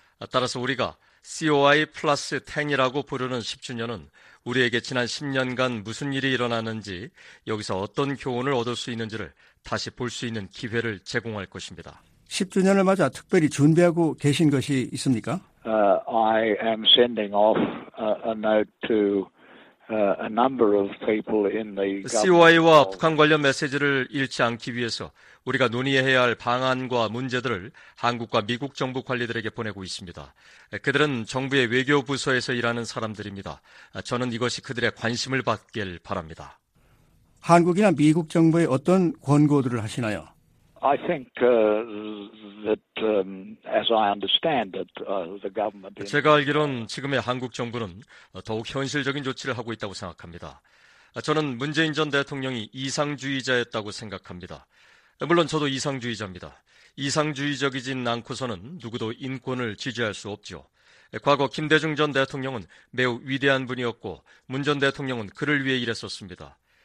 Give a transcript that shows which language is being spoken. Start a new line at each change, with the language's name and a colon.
Korean: 따라서 우리가 COI 플러스 10이라고 부르는 10주년은 우리에게 지난 10년간 무슨 일이 일어나는지 여기서 어떤 교훈을 얻을 수 있는지를 다시 볼 수 있는 기회를 제공할 것입니다. 10주년을 맞아 특별히 준비하고 계신 것이 있습니까?
English: I am sending off a note to a number of people in the
Korean: COI와 북한 관련 메시지를 잃지 않기 위해서 우리가 논의해야 할 방안과 문제들을 한국과 미국 정부 관리들에게 보내고 있습니다. 그들은 정부의 외교 부서에서 일하는 사람들입니다. 저는 이것이 그들의 관심을 받길 바랍니다. 한국이나 미국 정부에 어떤 권고들을 하시나요?
English: I think that as I understand it the government
Korean: 제가 알기론 지금의 한국 정부는 더욱 현실적인 조치를 하고 있다고 생각합니다. 저는 문재인 전 대통령이 이상주의자였다고 생각합니다. 물론 저도 이상주의자입니다. 이상주의적이진 않고서는 누구도 인권을 지지할 수 없죠. 과거 김대중 전 대통령은 매우 위대한 분이었고 문 전 대통령은 그를 위해 일했었습니다.